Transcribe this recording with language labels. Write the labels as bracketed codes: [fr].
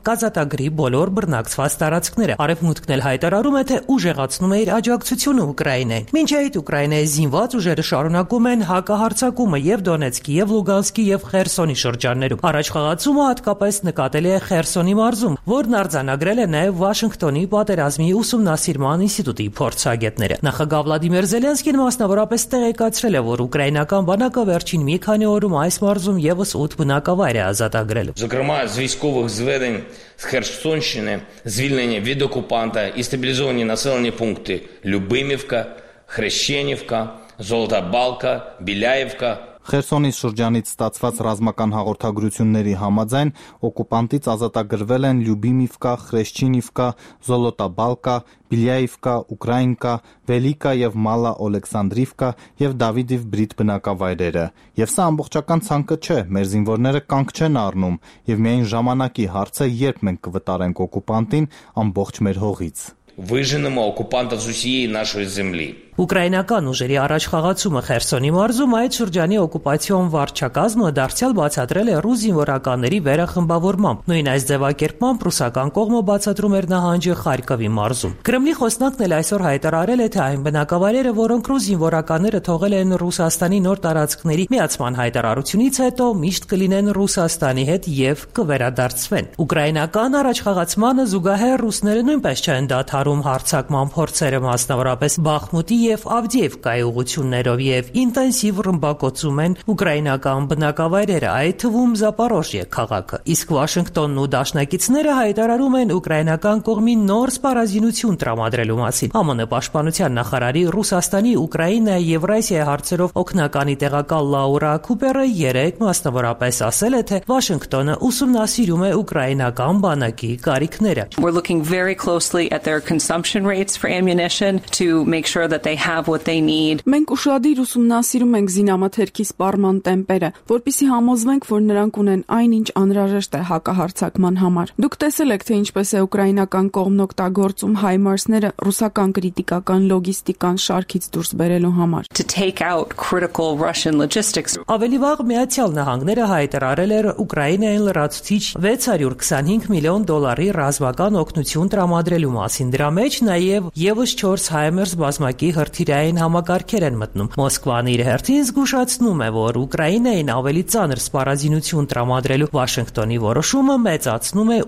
[hy] կազատագրի բոլոր բռնակցված տարածքները։ Արևմուտքն էլ հայտարարում է, թե ուժեղացնում է իր աջակցությունը Ուկրաինային։ Մինչ այդ Ուկրաինայի զինված ուժերը շարունակում են հակահարձակումը և Դոնեցկի, և Լուգանսկի, և Խերսոնի շրջաններում։ Առաջխաղացումը հատկապես նկատելի է Խերսոնի մարզում, որն արձանագրել է նաև Վաշինգտոնի պատերազմի ուսումնասիրման ինստիտուտի փորձագետները։ Նախագահ Վլադիմիր Զելենսկին մասնավորապես տեղեկացրել է, որ ուկրաինական բանակը վերջին մի քանի օրում այս մարզում ևս 8 բնակավայր է ազատագրել։ [uk] С Херсонщини, звільнення від окупанта і стабілізовані населені пункти Любимівка, Хрещенівка, Золота Балка, Біляєвка. [hy] Херсонի շրջանից ստացված ռազմական հաղորդագրությունների համաձայն օկուպանտից ազատագրվել են Լյուբիմիվկա, Խրեշչինիվկա, Զոլոտա Բալկա, Բիլյայիվկա, Ուկրաինկա, Վելիկա եւ Մալա Օլեքսանդրիվկա եւ Դավիդիվ բրիտ բնակավայրերը։ Եւ սա ամբողջական ցանկը չէ, մեր զինվորները կանգ չեն առնում եւ միայն ժամանակի հարց է, երբ մենք կվտարենք օկուպանտին ամբողջ մեր հողից։ [uk] Виженемо окупанта з усієї нашої землі. [hy] Ուկրաինական ուժերի առաջխաղացումը Խերսոնի մարզում այդ շրջանի օկուպացիոն վարչակազմը դարձյալ բացատրել է ռուս զինվորականների վերախմբավորմամբ։ Նույն այս ձևակերպմամբ ռուսական կողմը բացատրում էր նահանջի Խարկովի մարզում։ Կրեմլի խոսնակն էլ այսօր հայտարարել է, թե այն բնակավայրերը, որոնք ռուս զինվորականները թողել են Ռուսաստանի նոր տարածքների միացման հայտարարությունից հետո, միշտ կլինեն Ռուսաստանի հետ և կվերադարձվեն։ Ուկրաինական առաջխաղացմանը զուգահեռ ռուսները նույնպես չեն դադարում հարձակման փորձերը, մասնավորապես Բախմուտի և Ավդիևկայի ուղություններով, և ինտենսիվ ռմբակոծում են ուկրաինական բնակավայրերը, այդ թվում Զապարոժիե քաղաքը։ Իսկ Վաշինգտոնն ու դաշնակիցները հայտարարում են ուկրաինական կողմին նոր սպառազինություն տրամադրելու մասին։ ԱՄՆ պաշտպանության նախարարի Ռուսաստանի, Ուկրաինայի և Եվրասիայի հարցերով օգնականի տեղակալ Լաուրա Կուպերը 3 մասնավորապես ասել է, թե Վաշինգտոնը ուսումնասիրում է ուկրաինական բանակի կարիքները։ [en] We're looking very closely at their consumption rates for ammunition to make sure that they have what they need. [hy] Մենք ուշադիր ուսումնասիրում ենք զինամթերքի սպառման տեմպերը, որպեսզի համոզվենք, որ նրանք ունեն այն, ինչ անհրաժեշտ է հակահարձակման համար։ Դուք տեսել եք, թե ինչպես է ուկրաինական կողմն օգտագործում HIMARS-ները ռուսական կրիտիկական լոգիստիկան շարքից դուրս բերելու համար։ [en] To take out critical Russian logistics. [hy] Ավելի վաղ Միացյալ Նահանգները հայտարարել էր Ուկրաինային լրացուցիչ 625 միլիոն դոլարի ռազմական օգնություն տրամադրելու մասին, դրա մեջ նաև եւս 4 HIMARS բազմակի հրթիրային համակարգեր են մտնում։ Մոսկվան իր հերթին զգուշացնում է, որ Ուկրաինային ավելի ծանր սպառազինություն տրամադրելու Վաշինգտոնի որոշումը մեծացնում է